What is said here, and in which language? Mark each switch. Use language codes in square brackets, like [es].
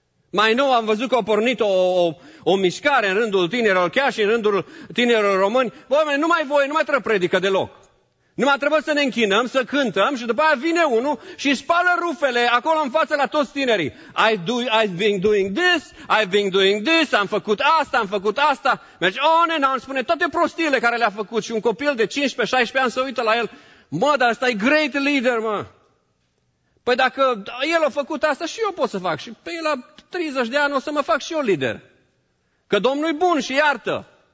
[ro] Mai nou am văzut că a pornit o mișcare în rândul tinerilor, chiar și în rândul tinerilor români. Oameni, nu mai voie, nu mai trebuie predică deloc. Nu mai trebuie să ne închinăm, să cântăm și după aia vine unul și spală rufele acolo în față la toți tinerii. [en] I've been doing this, [ro] am făcut asta. Merge [en] on and on, [ro] spune toate prostiile care le-a făcut și un copil de 15-16 ani se uită la el. Mă, dar ăsta e [en] great leader, [ro] mă. Păi dacă el a făcut asta și eu pot să fac și pe el la 30 de ani o să mă fac și eu lider. Că Domnul e bun și iartă.